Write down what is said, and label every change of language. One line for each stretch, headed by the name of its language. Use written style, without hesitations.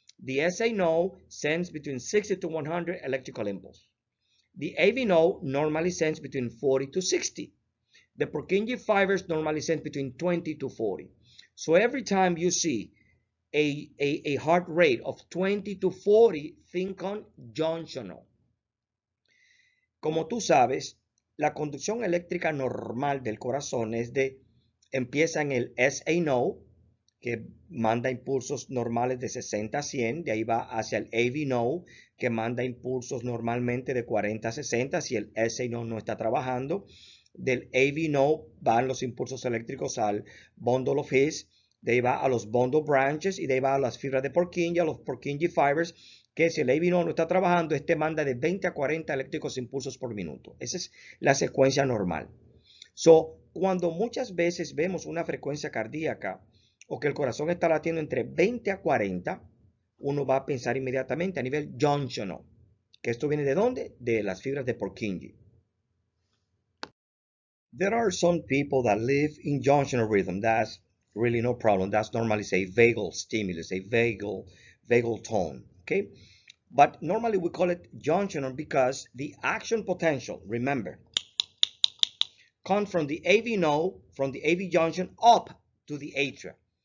English: The SA node sends between 60 to 100 electrical impulse. The AV node normally sends between 40 to 60. The Purkinje fibers normally send between 20 to 40. So every time you see a heart rate of 20 to 40, think on junctional.
Spanish: Como tú sabes, la conducción eléctrica normal del corazón es de, empieza en el SA node, que manda impulsos normales de 60 a 100, de ahí va hacia el AV node, que manda impulsos normalmente de 40 a 60, si el SA node no está trabajando. Del AV node van los impulsos eléctricos al bundle of His, de ahí va a los bundle branches, y de ahí va a las fibras de Purkinje, a los Purkinje fibers, que si el AV node no está trabajando, este manda de 20 a 40 eléctricos impulsos por minuto. Esa es la secuencia normal. So, cuando muchas veces vemos una frecuencia cardíaca o que el corazón está latiendo entre 20 a 40, uno va a pensar inmediatamente a nivel junctional. ¿Que esto viene de dónde? De las fibras de Purkinje.
English: There are some people that live in junctional rhythm. That's really no problem. That's normally a vagal stimulus, a vagal tone, okay? But normally we call it junctional because the action potential, remember, comes from the AV node, from the AV junction up to the atria.